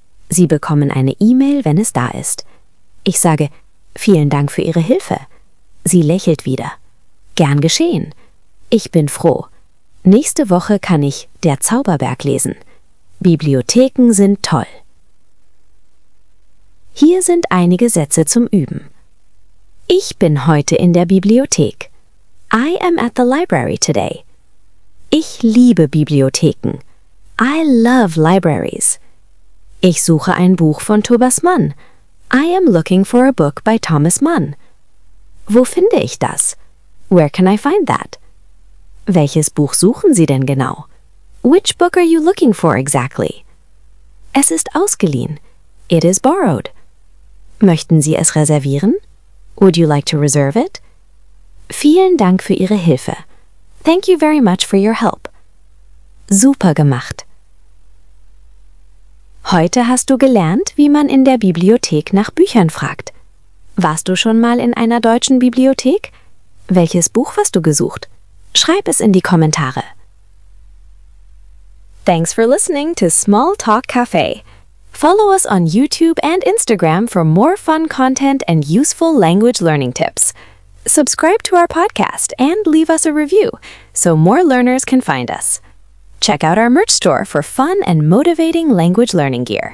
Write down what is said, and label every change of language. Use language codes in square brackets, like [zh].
[de] Sie bekommen eine E-Mail, wenn es da ist. Ich sage, vielen Dank für Ihre Hilfe. Sie lächelt wieder. Gern geschehen. Ich bin froh. Nächste Woche kann ich Der Zauberberg lesen. Bibliotheken sind toll. Hier sind einige Sätze zum Üben. Ich bin heute in der Bibliothek. [en] I am at the library today. [de] Ich liebe Bibliotheken. [en] I love libraries. [de] Ich suche ein Buch von Thomas Mann. [en] I am looking for a book by Thomas Mann. [de] Wo finde ich das? [en] Where can I find that? [de] Welches Buch suchen Sie denn genau? [en] Which book are you looking for exactly? [de] Es ist ausgeliehen. [en] It is borrowed. [de] Möchten Sie es reservieren? [en] Would you like to reserve it? [de] Vielen Dank für Ihre Hilfe. [en] Thank you very much for your help. [de] Super gemacht. Heute hast du gelernt, wie man in der Bibliothek nach Büchern fragt. Warst du schon mal in einer deutschen Bibliothek? Welches Buch hast du gesucht? Schreib es in die Kommentare. [en] Thanks for listening to Small Talk Cafe. Follow us on YouTube and Instagram for more fun content and useful language learning tips. Subscribe to our podcast and leave us a review so more learners can find us. Check out our merch store for fun and motivating language learning gear.